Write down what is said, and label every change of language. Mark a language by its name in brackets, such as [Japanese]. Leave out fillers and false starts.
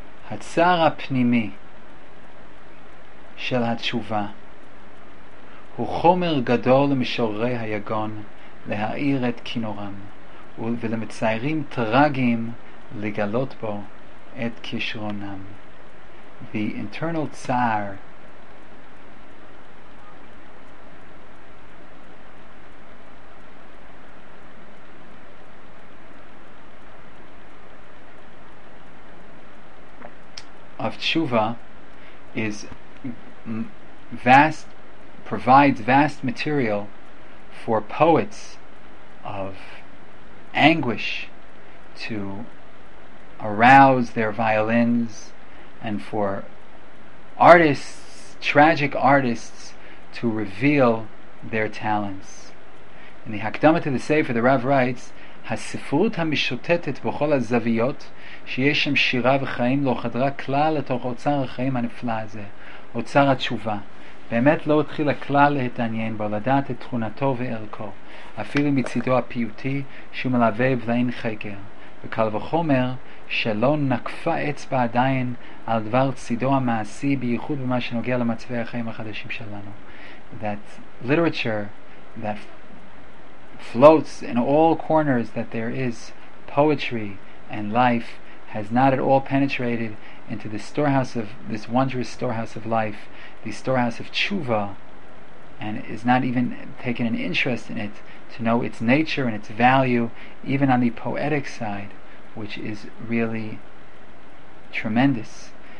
[Hebrew] Hatzar HaPnimi של התשובה הוא חומר גדול למשוררי היגון להאיר את כינורם ולמציירים טרגיים לגלות בו את כישרונם. [English] The internal tsar of tshuva is vast, provides vast material for poets of anguish to arouse their violins, and for artists, tragic artists, to reveal their talents. In the Hakdama to the Sefer, the Rav writes, [Hebrew] הספרות המשוטטת בכל הזוויות שיש שם שירה וחיים לא חדרה כלל לתוך אוצר החיים הנפלא הזה, אוצר התשובה. באמת לא התחילה כלל להתעניין בו, לדעת את תכונתו וערכו, אפילו מצידו הפיוטי שהוא מלווה בלעין חקר, וקל וחומר שלא נקפה אצבע עדיין על דבר צידו המעשי, בייחוד במה שנוגע למצבי החיים החדשים שלנו. [English] That literature, that floats in all corners, that there is poetry and life, has not at all penetrated into the storehouse of this wondrous storehouse of life, the storehouse of tshuva, and is not even taken an interest in it to know its nature and its value, even on the poetic side, which is really tremendous.